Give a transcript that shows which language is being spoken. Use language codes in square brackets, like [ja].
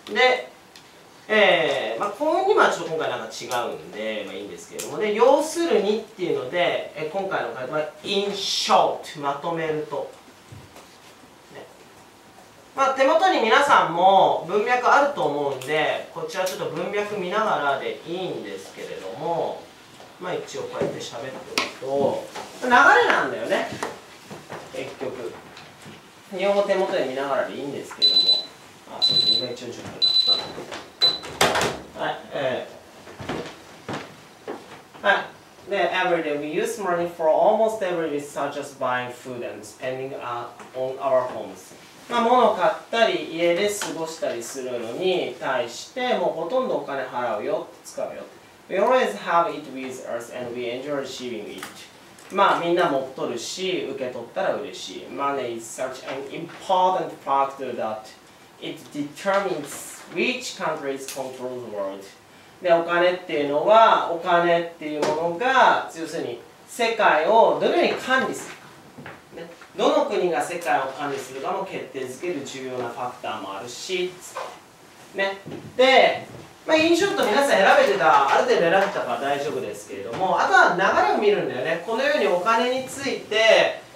[ja] で、まあこの2はちょっと今回なんか違うんでまあいいんですけれども、で要するにっていうので、今回の回答はインショート、まとめると、まあ、手元に皆さんも文脈あると思うんで、こちらちょっと文脈見ながらでいいんですけれども、まあ、一応こうやって喋っておくと、流れなんだよね、結局。日本語手元で見ながらでいいんですけれども、あ、そうですね、今一応準備だった。はい、はい。 [en] で、every day we use money for almost everything such as buying food and spending on our homes. [ja] まあ、物を買ったり家で過ごしたりするのに対してもうほとんどお金払うよって使うよ。 [en] We always have it with us and we enjoy receiving it。 [ja] まあみんな持っとるし受け取ったら嬉しい。 [en] Money is such an important factor that it determines which countries control the world。 [ja] で、お金っていうのはお金っていうものが要するに世界をどのように管理するか、どの国が世界を管理するかも決定づける重要なファクターもあるし、ね、で、まあ、インショット皆さん選べてた、ある程度選べたから大丈夫ですけれども、あとは流れを見るんだよね。このようにお金について